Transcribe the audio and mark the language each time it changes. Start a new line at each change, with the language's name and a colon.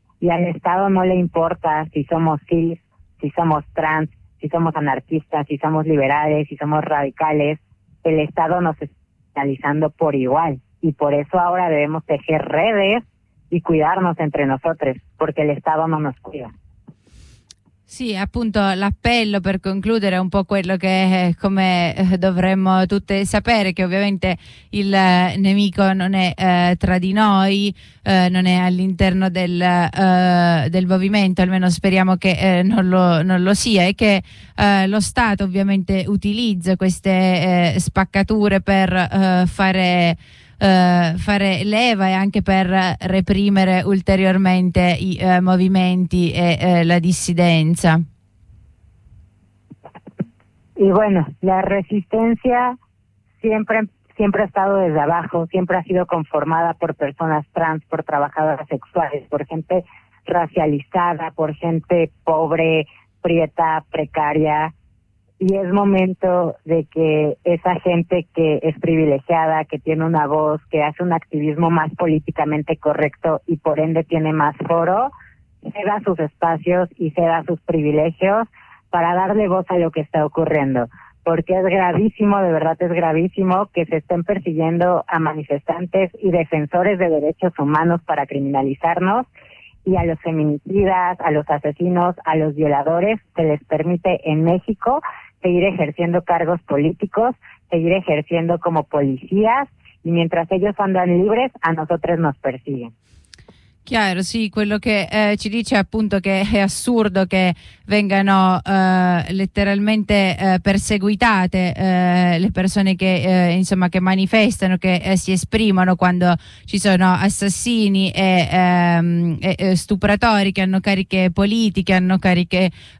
Spanish: Y al Estado no le importa si somos cis, si somos trans, si somos anarquistas, si somos liberales, si somos radicales. El Estado nos está analizando por igual. Y por eso ahora debemos tejer redes y cuidarnos entre nosotros, porque el Estado no nos cuida.
Italian: Sì, appunto, l'appello per concludere è un po' quello che, come dovremmo tutte sapere, che ovviamente il nemico non è tra di noi, non è all'interno del movimento, almeno speriamo che non lo sia, e che lo Stato ovviamente utilizza queste spaccature per fare leva e anche per reprimere ulteriormente i movimenti e la dissidenza.
Spanish: Y bueno, la resistencia siempre ha estado desde abajo, siempre ha sido conformada por personas trans, por trabajadoras sexuales, por gente racializada, por gente pobre, prieta, precaria. Y es momento de que esa gente que es privilegiada, que tiene una voz, que hace un activismo más políticamente correcto y por ende tiene más foro, ceda sus espacios y ceda sus privilegios para darle voz a lo que está ocurriendo. Porque es gravísimo, de verdad es gravísimo, que se estén persiguiendo a manifestantes y defensores de derechos humanos para criminalizarnos, y a los feminicidas, a los asesinos, a los violadores, se les permite en México seguir ejerciendo cargos políticos, seguir ejerciendo como policías, y mientras ellos andan libres, a nosotros nos persiguen.
Italian: Chiaro, sì, quello che ci dice appunto che è assurdo che vengano letteralmente perseguitate le persone che insomma che manifestano, che si esprimono, quando ci sono assassini e stupratori che hanno cariche politiche, hanno cariche